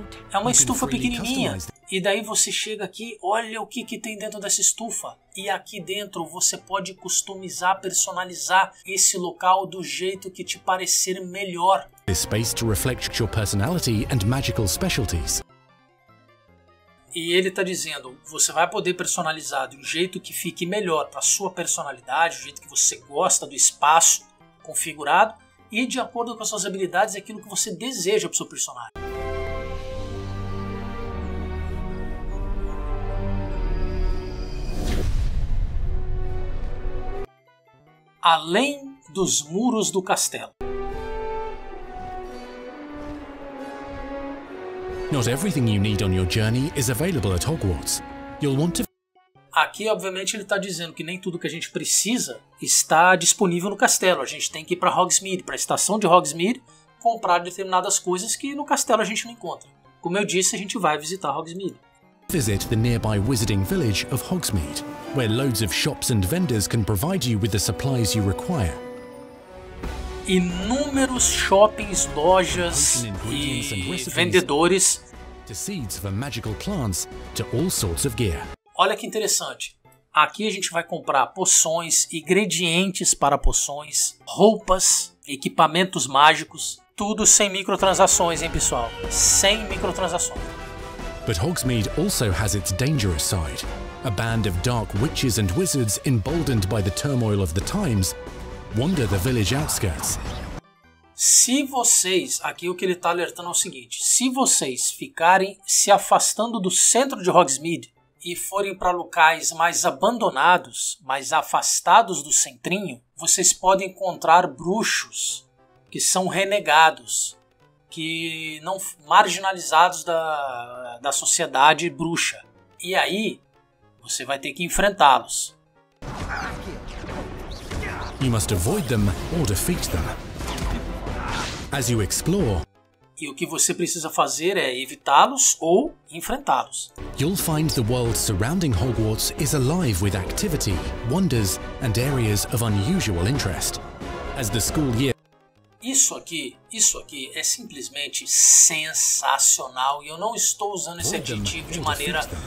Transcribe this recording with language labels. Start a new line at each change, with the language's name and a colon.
Portuguese: É uma estufa pequenininha. E daí você chega aqui, olha o que tem dentro dessa estufa. E aqui dentro você pode customizar, personalizar esse local do jeito que te parecer melhor.
English: Space to reflect your personality and magical specialties.
Portuguese: E ele está dizendo, você vai poder personalizar de um jeito que fique melhor para a sua personalidade, o jeito que você gosta do espaço configurado e de acordo com as suas habilidades e aquilo que você deseja para o seu personagem. Além dos muros do castelo.
English: Not everything you need on your journey is available at Hogwarts. You'll want to...
Portuguese: Aqui, obviamente, ele está dizendo que nem tudo que a gente precisa está disponível no castelo. A gente tem que ir para Hogsmeade, para a estação de Hogsmeade, comprar determinadas coisas que no castelo a gente não encontra. Como eu disse, a gente vai visitar Hogsmeade.
English: Visit the nearby wizarding village of Hogsmeade, where loads of shops and vendors can provide you with the supplies you require.
Portuguese: Inúmeros shoppings, lojas e vendedores.
English: To seeds for magical plants, to all sorts of gear.
Portuguese: Olha que interessante. Aqui a gente vai comprar poções, ingredientes para poções, roupas, equipamentos mágicos, tudo sem microtransações, hein, pessoal? Sem microtransações.
English: But Hogsmeade also has its dangerous side. A band of dark witches and wizards, emboldened by the turmoil of the times, wander the village outskirts.
Portuguese: Se vocês, aqui o que ele está alertando é o seguinte, se vocês ficarem se afastando do centro de Hogsmeade e forem para locais mais abandonados, mais afastados do centrinho, vocês podem encontrar bruxos que são renegados, que não marginalizados da sociedade bruxa. E aí, você vai ter que enfrentá-los.
English: You must avoid them or defeat them. As you explore.
Portuguese: E o que você precisa fazer é evitá-los ou enfrentá-los.
English: You'll find the world surrounding Hogwarts is alive with activity, wonders and areas of unusual interest. As the school year.
Portuguese: Isso aqui é simplesmente sensacional e eu não estou usando esse adjetivo de maneira